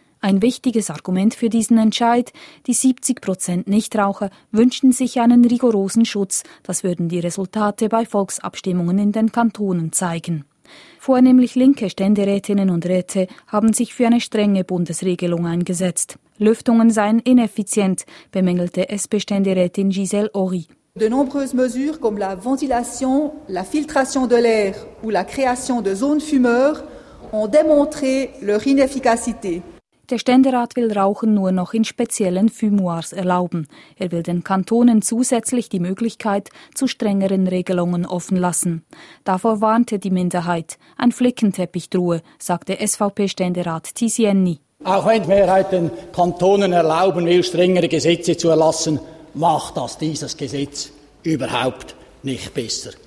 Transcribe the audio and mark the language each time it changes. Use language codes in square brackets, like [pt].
[de] Ein wichtiges Argument für diesen Entscheid: die 70% Nichtraucher wünschten sich einen rigorosen Schutz, das würden die Resultate bei Volksabstimmungen in den Kantonen zeigen. Vornehmlich linke Ständerätinnen und Räte haben sich für eine strenge Bundesregelung eingesetzt. Lüftungen seien ineffizient, bemängelte SP-Ständerätin Giselle Ory. [fr] De nombreuses mesures comme la ventilation, la filtration de l'air ou la création de zones fumeurs ont démontré leur inefficacité. [de] Der Ständerat will Rauchen nur noch in speziellen Fumoirs erlauben. Er will den Kantonen zusätzlich die Möglichkeit zu strengeren Regelungen offen lassen. Davor warnte die Minderheit. Ein Flickenteppich drohe, sagte SVP-Ständerat Tisienni. Auch wenn die Mehrheit den Kantonen erlauben will, strengere Gesetze zu erlassen, macht das dieses Gesetz überhaupt nicht besser.